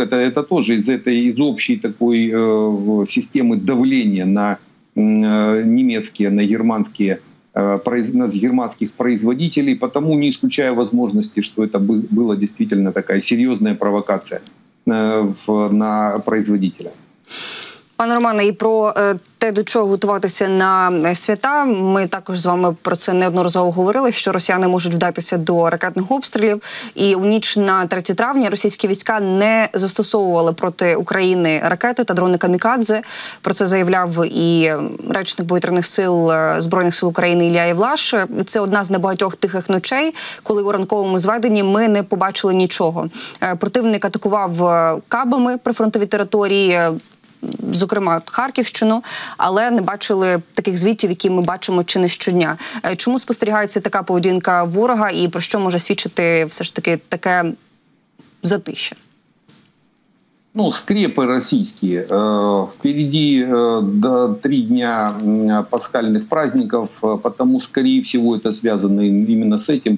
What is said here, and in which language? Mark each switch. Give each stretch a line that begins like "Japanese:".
Russian: Это тоже из этой, из общей такой системы давления на немецкие, на германские, на германских производителей, потому не исключая возможности, что это была действительно такая серьезная провокация на производителя.
Ukrainian: Пане Романе, і про те, до чого готуватися на свята, ми також з вами про це неодноразово говорили, що росіяни можуть вдатися до ракетних обстрілів. І у ніч на 3 травня російські війська не застосовували проти України ракети та дрони «Камікадзе». Про це заявляв і речник повітряних сил Збройних сил України Ілля Євлаш. Це одна з небагатьох тихих ночей, коли у ранковому зведенні ми не побачили нічого. Противник атакував кабами прифронтові території, зокрема, Харківщину, але не бачили таких звітів, які ми бачимо чи не щодня. Чому спостерігається така поведінка ворога і про що може свідчити все ж таки таке затишшя?
Russian: Ну, скрепы российские. Впереди до 3 дня пасхальных праздников, потому, скорее всего, это связано именно с этим.